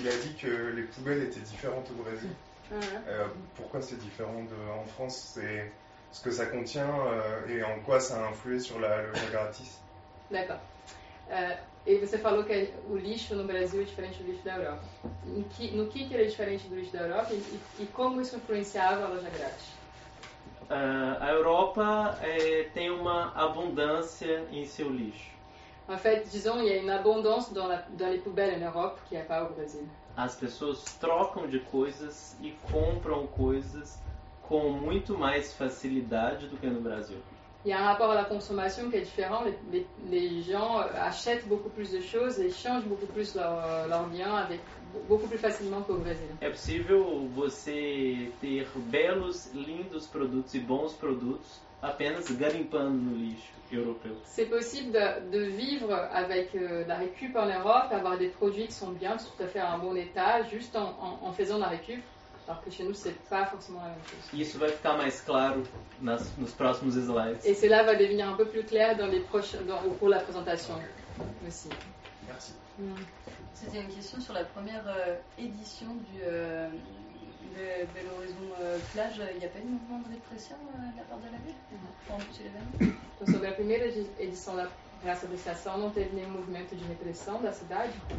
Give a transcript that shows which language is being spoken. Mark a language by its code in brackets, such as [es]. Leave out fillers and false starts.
[fr] Il a dit que les poubelles étaient différentes au Brésil. Ouais. Pourquoi c'est différent en France? C'est ce que ça contient et en quoi ça a influé sur le gratis? D'accord. Et vous avez dit que le lixo no Brésil est différent du lixo d'Europe. [pt] No que era diferente do lixo da Europa e como isso influenciava a loja grátis? A Europa tem uma abundância em seu lixo. [fr] En fait, disons, il y a une abondance dans les poubelles en Europe qu'il n'y a pas au Brésil. [pt] As pessoas trocam de coisas e compram coisas com muito mais facilidade do que no Brasil. [fr] Il y a un rapport à la consommation qui est différent. Les gens achètent beaucoup plus de choses et changent beaucoup plus leurs biens beaucoup plus facilement qu'au Brésil. [pt] É possível você ter belos, lindos produtos e bons produtos apenas garimpando no lixo europeu? [fr] C'est possible de vivre avec la récup en Europe, avoir des produits qui sont bien, tout à fait en bon état, juste en faisant la récup. Alors que chez nous, c'est pas forcément la même chose. [pt] Isso vai ficar mais claro nos próximos slides. [fr] Et cela va devenir un peu plus clair dans les prochains, au cours de la présentation aussi. Merci. C'était une question sur la première édition du Bel Horizon Plage. Il n'y a pas eu de mouvement de répression de la part de la ville pendant tout l'événement? [pt] Então, sobre a primeira edição da Praça da Estação, não teve nenhum movimento de repressão da cidade?